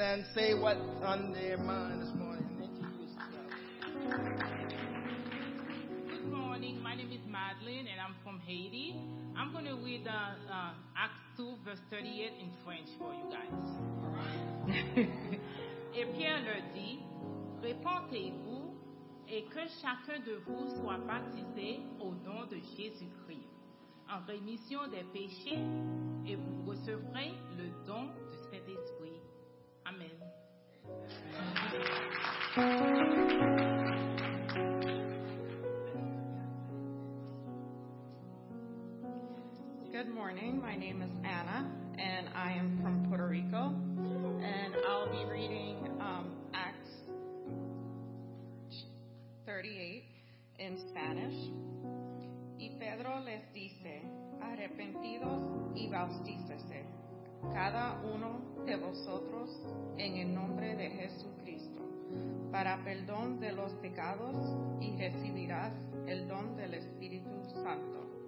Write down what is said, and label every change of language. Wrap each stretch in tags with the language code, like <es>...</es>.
<en>And say what's on their mind this morning. Good morning. My name is Madeline and I'm from Haiti. I'm going to read Acts 2:38 in French for you guys.</en> <fr>Et Pierre leur dit, repentez-vous et que chacun de vous soit baptisé au nom de Jésus-Christ en rémission des péchés et vous recevrez le don du Saint-Esprit.</fr> <en>Amen. Good morning. My name is Anna and I am from Puerto Rico and I'll be reading Acts 38 in Spanish.</en> <es>Y Pedro les dice, arrepentidos y bautícese cada uno de vosotros en el nombre de Jesucristo para perdón de los pecados y recibirás el don del Espíritu Santo.</es>